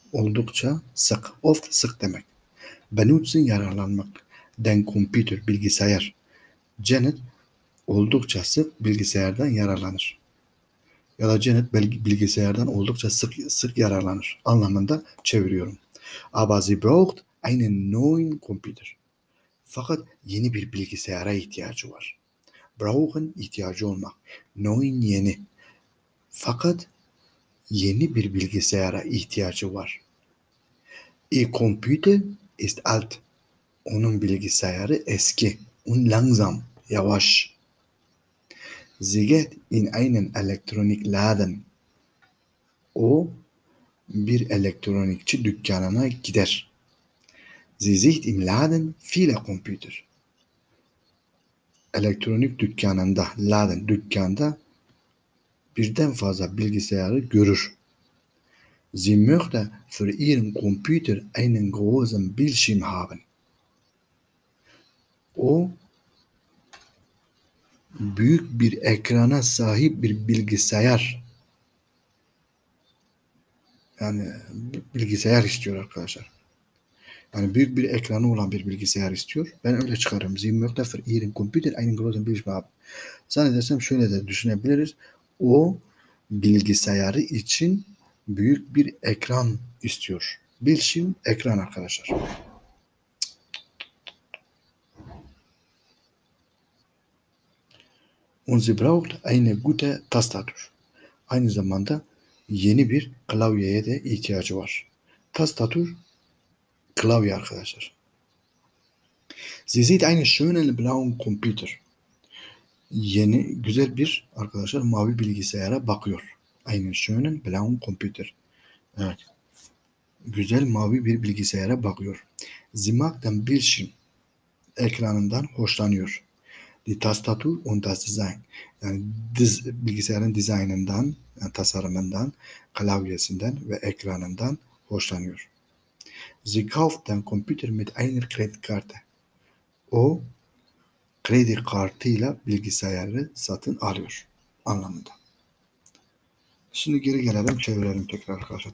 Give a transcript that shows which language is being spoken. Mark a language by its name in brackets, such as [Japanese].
[Turkish] Oldukça sık. Oft sık demek. Benutzen yararlanmak. Den Computer bilgisayar. Janet oldukça sık bilgisayardan yararlanır. Ya da Janet bilgisayardan oldukça sık yararlanır anlamında çeviriyorum. [German] Aber sie braucht einen neuen Computer. [Turkish] Fakat yeni bir bilgisayara ihtiyacı var. Brauchen ihtiyacı olmak. Neuen yeni. Fakat yeni bir bilgisayara ihtiyacı var. [German] Ihr Computer ist alt. [Turkish] Onun bilgisayarı eski. [German] Und langsam. [Turkish] Yavaş. [German] Sie geht in einen Elektronikladen. [Turkish] O bir elektronikçi dükkanına gider. [German] Sie sieht im Laden viele Computer. [Turkish] Elektronik dükkanında, Laden dükkanda birden fazla bilgisayarı görür. [German] Sie möchte für ihren Computer einen großen Bildschirm haben. [Turkish] O büyük bir ekrana sahip bir bilgisayar. Yani bilgisayar istiyor arkadaşlar. Yani büyük bir ekranı olan bir bilgisayar istiyor. Ben öyle çıkarırım. [German] Sie möchte für ihren Computer einen großen Bildschirm. [Turkish] Zannedersem şöyle de düşünebiliriz. O bilgisayarı için büyük bir ekran istiyor. Bildschirm, ekran arkadaşlar. [German] Und sie braucht eine gute Tastatur. [Turkish] Aynı zamanda yeni bir klavyeye de ihtiyacı var. Tastatur, klavye arkadaşlar. [German] Sie sieht einen schönen blauen Computer. [Turkish] Yeni, güzel bir arkadaşlar mavi bilgisayara bakıyor. [German] Einen schönen blauen Computer. [Turkish] Evet. Güzel mavi bir bilgisayara bakıyor. [German] Sie mag den Bildschirm. [Turkish] Ekranından hoşlanıyor. [German] Die Tastatur und das Design. [Turkish] Yani bilgisayarın dizaynından, yani tasarımından, klavyesinden ve ekranından hoşlanıyor. [German] Sie kauft den Computer mit einer Kreditkarte. [Turkish] O kredi kartıyla bilgisayarı satın alıyor anlamında. Şimdi geri gelelim, çevirelim tekrar arkadaşlar.